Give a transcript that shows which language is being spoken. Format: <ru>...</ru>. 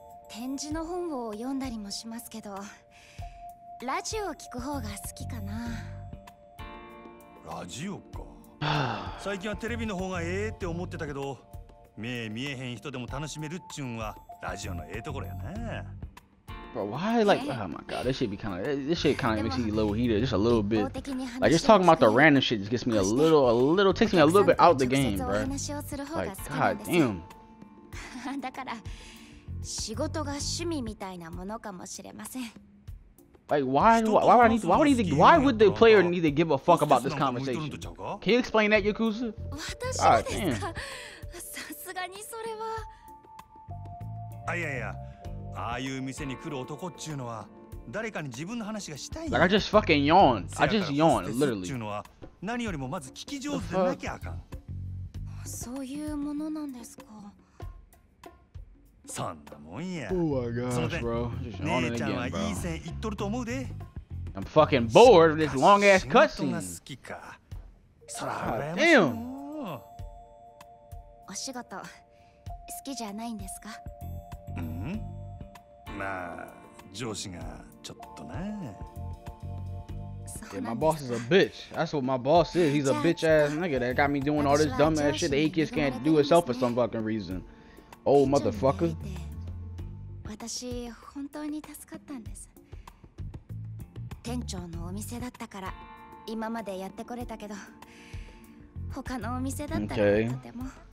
<ja>展示の本を読んだりもしますけど、ラジオを聞く方が好きかな。ラジオか。最近はテレビの方がええって思ってたけど、目見えへん人でも楽しめるっちゅんはラジオのええところやな。</ja> <en>But why, like, oh my god, this shit kind of makes me a little heated, just a little bit. Like, just talking about the random shit just gets me a little, takes me a little bit out the game, bro. Like, god damn.</en> <ja>だから仕事が趣味みたいなものかもしれません。</ja> <en>Like, why would the player need to give a fuck about this conversation? Can you explain that, Yakuza? God damn.</en> <ja>さすがにそれは。あいやいや、ああいう店に来る男っちゅうのは誰かに自分の話がしたい。</ja> <en>Like, I just fucking yawned. I just yawned, literally.</en> <ja>っていうのは何よりもまず聞き上手でなきゃあかん。そういうものなんですか。そんなもんや。</ja> <en>Oh my gosh, bro.</en> <ja>ねえちゃんはいい線いっとると思うで。</ja> <en>I'm fucking bored of this long ass cutscene.</en> <ja>仕事が好きか。そら、</ja> <en>damn.</en> <ja>お仕事好きじゃないんですか。うん。まあ上司がちょっとな。</ja> <en>Yeah, my boss is a bitch. That's what my boss is. He's a bitch ass nigga that got me doing all this dumb ass shit that he just can't do himself for some fucking reason. Oh, motherfucker.</en> <ja>私本当に助かったんです。店長のお店だったから今までやってこれたけど、他のお店だったらとても。</ja>